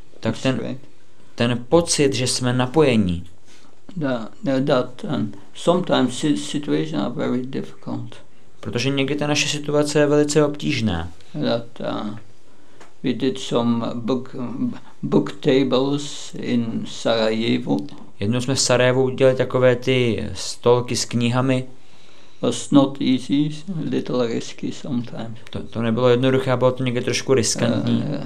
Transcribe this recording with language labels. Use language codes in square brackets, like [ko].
[cs] Tak ten pocit, že jsme napojení. [en] And sometimes situations are very difficult. [cs] Protože někdy ta naše situace je velice obtížná. [en] That we did some book tables in Sarajevo. [cs] Jednou jsme v Sarajevu udělali takové ty stolky s knihami. [en] Was not easy, little risky sometimes. [cs] To nebylo jednoduché, bylo to někde trošku riskantní.